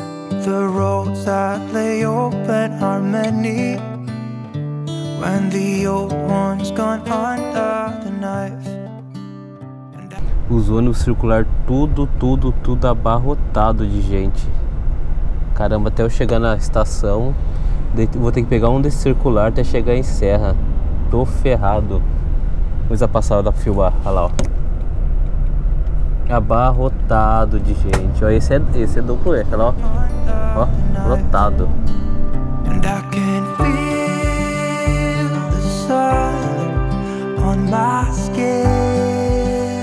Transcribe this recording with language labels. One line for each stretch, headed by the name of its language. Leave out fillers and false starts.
English: The roads that lay open are many. When the old one's gone under the knife.
Portuguese: Os ônibus circular tudo abarrotado de gente. Caramba, até eu chegar na estação, vou ter que pegar um desse circular até chegar em Serra. Tô ferrado. Coisa passada pra filmar, olha lá, ó. Abarrotado de gente. Ó, esse é duplo, olha lá, ó. Ó, lotado.
English: And I can feel the sun on my skin.